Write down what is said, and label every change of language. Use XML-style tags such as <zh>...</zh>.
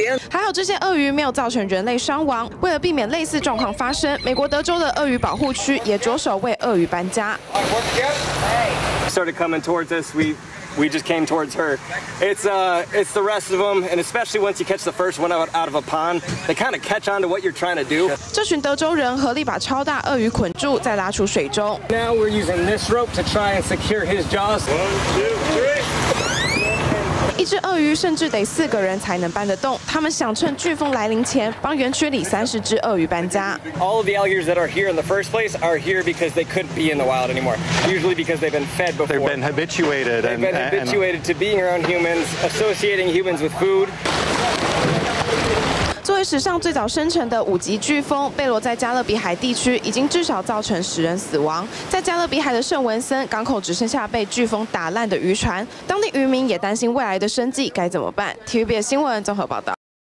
<zh>还有这些鳄鱼没有造成人类伤亡。为了避免类似状况发生，美国德州的鳄鱼保护区也着手为鳄鱼搬家。</zh> <en>Started coming towards us. We just came towards her. It's the rest of them, and especially once you catch the first one out of a pond, they kind of catch on to what you're trying to do.</en> <zh>这群德州人合力把超大鳄鱼捆住，再拉出水中。</zh> <en>Now we're using this rope to try and secure his jaws.</en> <zh>一只鳄鱼甚至得4个人才能搬得动。他们想趁飓风来临前帮园区里30只鳄鱼搬家。</zh> <en>All of the alligators that are here in the first place are here because they couldn't be in the wild anymore. Usually because they've been fed before. They've been habituated. They've been habituated to being around humans, associating humans with food.</en> <zh>作为史上最早生成的5级飓风，贝罗在加勒比海地区已经至少造成10人死亡。在加勒比海的圣文森港口只剩下被飓风打烂的渔船，当地渔民也担心未来的生计该怎么办。TVBS 新闻综合报道。</zh>